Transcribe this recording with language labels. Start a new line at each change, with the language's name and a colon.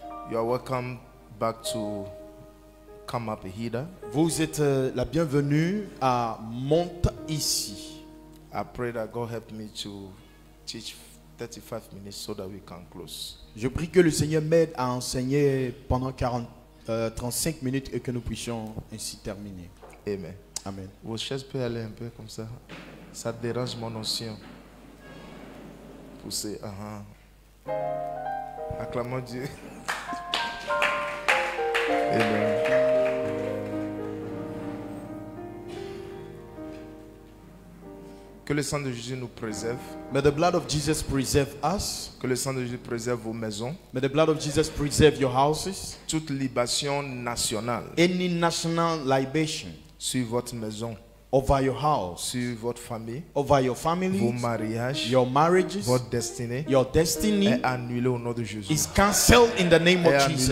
English: You are welcome back to Come Up Here.
French: Vous êtes la bienvenue à Monte Ici.
English: I pray that God help me to teach 35 minutes so that we can close.
French: Je prie que le Seigneur m'aide à enseigner pendant 35 minutes et que nous puissions ainsi terminer. Amen. Amen. Vos chaises peuvent aller un peu comme ça. Ça dérange mon ancien. Poussez. Acclamons Dieu. Amen. Que le sang de Jésus nous préserve.
English: May the blood of Jesus preserve us.
French: Que le sang de Jésus préserve vos maisons.
English: May the blood of Jesus preserve your houses.
French: Toute libation nationale.
English: Any national libation.
French: Sur votre maison.
English: Over your house.
French: Sur votre famille.
English: Over your family.
French: Vos mariages.
English: Your marriages.
French: Votre destinée.
English: Your destiny.
French: Est annulée au nom de Jésus.
English: Is cancelled in the name of Jesus.